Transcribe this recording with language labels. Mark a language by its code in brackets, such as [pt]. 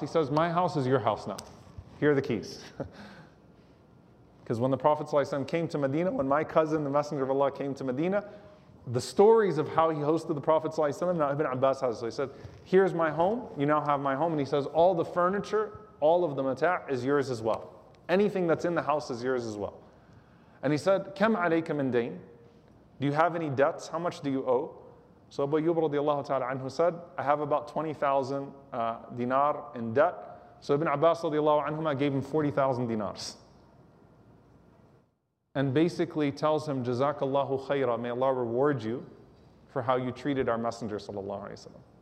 [en] He says, my house is your house now. Here are the keys. Because when the Prophet ﷺ came to Medina, when my cousin, the Messenger of Allah, came to Medina, the stories of how he hosted the Prophet ﷺ, now Ibn Abbas has, so he said, here's my home, you now have my home. And he says, all the furniture, all of the mata' is yours as well. Anything that's in the house is yours as well. And he said, [ar] كَمْ عَلَيْكَ مِنْ دَيْنِ. [en] Do you have any debts? How much do you owe? So Abu Ayyub radiallahu ta'ala anhu said, I have about 20,000 dinar in debt. So Ibn Abbas radiallahu anhu gave him 40,000 dinars. And basically tells him, Jazakallahu khayra, may Allah reward you for how you treated our Messenger sallallahu alayhi wa sallam.